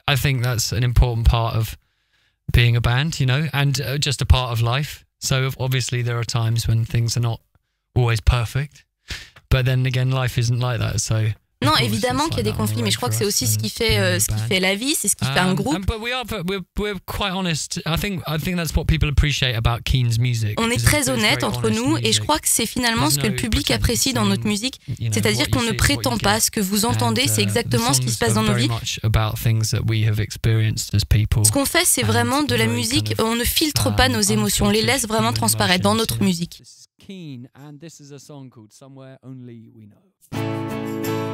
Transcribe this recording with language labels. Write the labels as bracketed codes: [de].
[en] I think that's an important part of being a band, you know, and just a part of life. So obviously there are times when things are not always perfect, but then again life isn't like that. So [fr] non, évidemment qu'il y a des conflits, mais je crois que c'est aussi ce qui fait la vie, c'est ce qui fait un groupe. [en] But we're quite honest. I think that's what people appreciate about Keen's music. [fr] On est très honnête entre nous, et je crois que c'est finalement ce que le public apprécie dans notre musique, c'est-à-dire qu'on ne prétend pas. Ce que vous entendez, c'est exactement ce qui se passe dans nos vies. [en] About things that we have experienced as people. [fr] Ce qu'on fait, c'est vraiment de la musique. On ne filtre pas nos émotions, on les laisse vraiment transparaître dans notre musique. [en] Keane, and this is a song called Somewhere Only We Know.